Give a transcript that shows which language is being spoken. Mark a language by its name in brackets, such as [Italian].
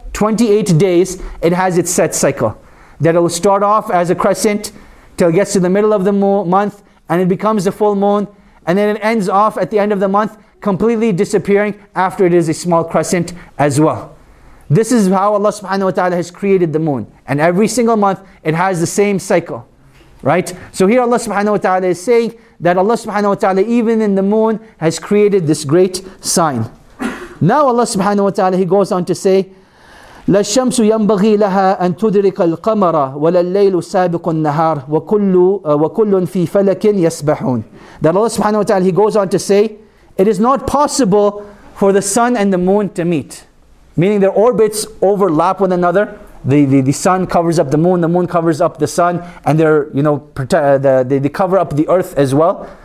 [English] 28 days, it has its set cycle. That it will start off as a crescent till it gets to the middle of the month, and it becomes a full moon, and then it ends off at the end of the month, completely disappearing after it is a small crescent as well. This is how Allah subhanahu wa ta'ala has created the moon. And every single month, it has the same cycle, right? So here Allah subhanahu wa ta'ala is saying that Allah subhanahu wa ta'ala, even in the moon, has created this great sign. Now Allah subhanahu wa ta'ala, He goes on to say, [Arabic] لَالشَّمْسُ يَنْبَغِي لَهَا أَن تُدْرِكَ الْقَمَرَ وَلَلَّيْلُ سَابِقُ النَّهَارِ وَكُلٌّ فِي فَلَكٍ يَسْبَحُونَ. [English] That Allah subhanahu wa ta'ala, He goes on to say, it is not possible for the sun and the moon to meet. Meaning their orbits overlap one another. The sun covers up the moon covers up the sun, and they're, you know, they cover up the earth as well.